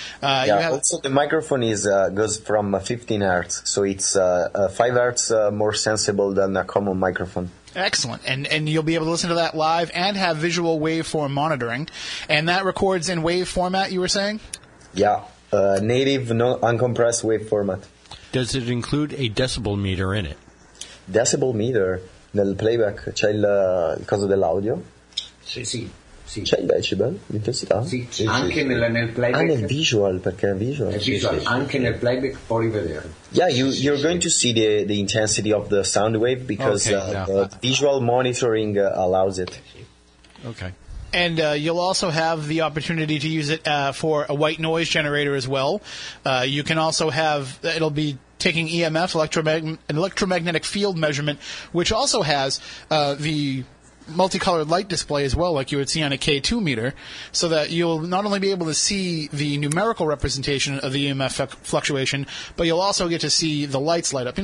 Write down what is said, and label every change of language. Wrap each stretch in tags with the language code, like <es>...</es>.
<en>Also the microphone goes from 15 hertz, so it's 5 hertz more sensible than a common microphone. Excellent. And you'll be able to listen to that live and have visual waveform monitoring. And that records in wave format, you were saying? Yeah. Native, uncompressed wave format. Does it include a decibel meter in it? Decibel meter?</en> <it>Nel playback c'è il coso dell'audio? Sì. C'è il decibel? L'intensità? Sì. Anche nel playback. Nel visual, perché è visual. Anche nel playback può rivedere.</it> <en>Yeah, you're going to see the intensity of the sound wave because the visual monitoring allows it. Okay. And you'll also have the opportunity to use it for a white noise generator as well. You can also have, it'll be taking EMF, electromagnetic field measurement, which also has the multicolored light display as well, like you would see on a K2 meter, so that you'll not only be able to see the numerical representation of the EMF fluctuation, but you'll also get to see the lights light up.</en>